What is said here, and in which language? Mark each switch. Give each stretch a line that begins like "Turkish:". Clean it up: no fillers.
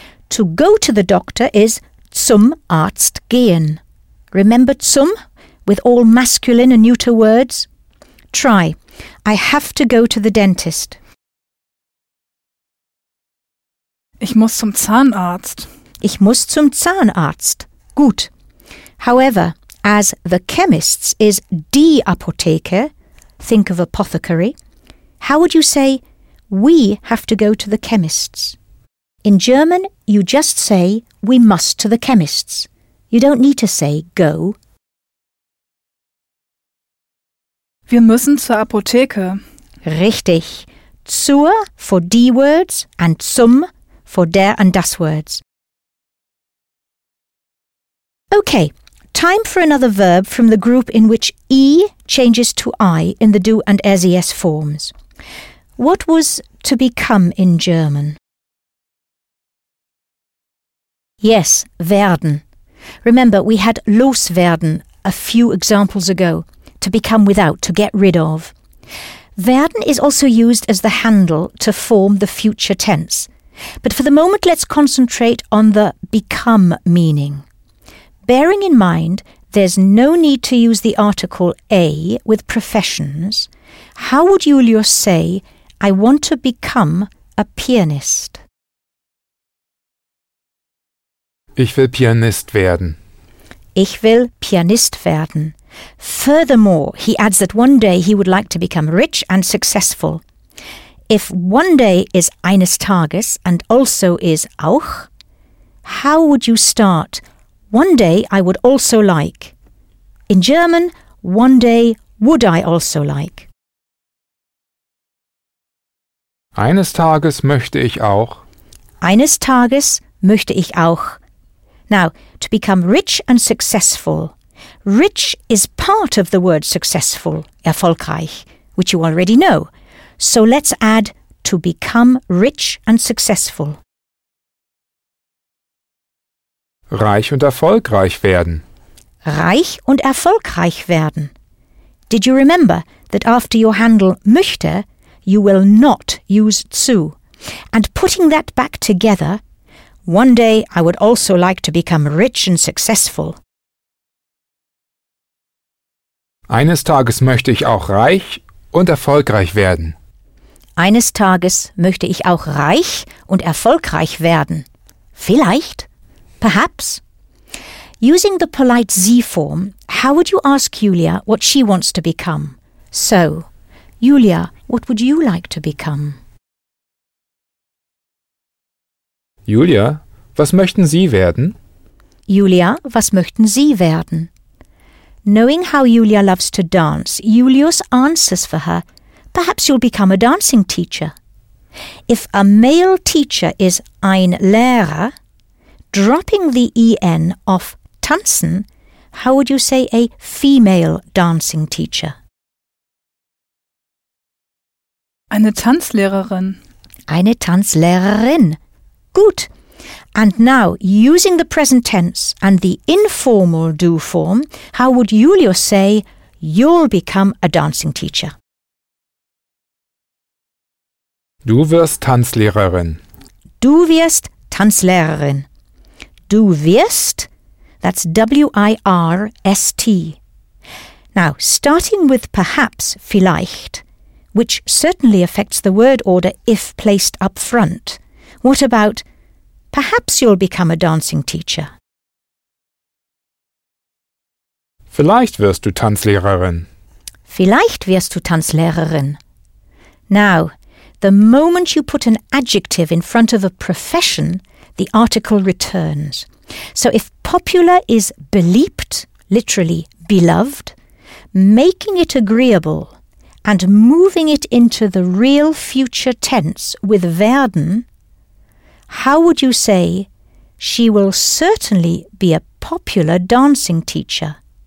English: To go to the doctor is zum Arzt gehen. Remember zum, with all masculine and neuter words? Try. I have to go to the dentist.
German: Ich muss zum Zahnarzt. Ich muss zum Zahnarzt. Gut.
English: However, as the chemist's is die Apotheke, think of apothecary, how would you say we have to go to the chemist's? In German, you just say we must to the chemist's. You don't need to say go.
German: Wir müssen zur Apotheke.
English: Richtig. Zur for die words and zum for der and das words. Okay. Time for another verb from the group in which E changes to I in the du and RZS forms. What was to become in German? Yes, werden. Remember, we had loswerden a few examples ago, to become without, to get rid of. Werden is also used as the handle to form the future tense. But for the moment, let's concentrate on the become meaning. Bearing in mind, there's no need to use the article A with professions. How would Julius say, I want to become a pianist?
German: Ich will Pianist werden. Ich will Pianist werden.
English: Furthermore, he adds that one day he would like to become rich and successful. If one day is eines Tages and also is auch, how would you start? One day I would also like. In German, one day would I also like.
German: Eines Tages möchte ich auch. Eines Tages möchte ich auch.
English: Now, to become rich and successful. Rich is part of the word successful, erfolgreich, which you already know. So let's add to become rich and successful.
German: Reich und erfolgreich werden. Reich und erfolgreich werden.
English: Did you remember that after you handle möchte, you will not use zu? And putting that back together, one day I would also like to become rich and successful.
German: Eines Tages möchte ich auch reich und erfolgreich werden. Eines Tages möchte ich auch reich und erfolgreich werden. Vielleicht. Perhaps.
English: Using the polite Sie form, how would you ask Julia what she wants to become? So, Julia, what would you like to become?
German: Julia, was möchten Sie werden? Julia, was möchten Sie werden?
English: Knowing how Julia loves to dance, Julius answers for her, perhaps you'll become a dancing teacher. If a male teacher is ein Lehrer, dropping the en off tanzen, how would you say a female dancing teacher?
German: Eine Tanzlehrerin. Eine Tanzlehrerin. Gut.
English: And now, using the present tense and the informal do form, how would Julius say, you'll become a dancing teacher?
German: Du wirst Tanzlehrerin. Du wirst Tanzlehrerin. Du wirst,
English: that's W-I-R-S-T. Now, starting with perhaps, vielleicht, which certainly affects the word order if placed up front, what about perhaps you'll become a dancing teacher?
German: Vielleicht wirst du Tanzlehrerin. Vielleicht wirst du Tanzlehrerin.
English: Now, the moment you put an adjective in front of a profession, the article returns. So if popular is beliebt, literally beloved, making it agreeable and moving it into the real future tense with werden, how would you say, she will certainly be a popular dancing teacher?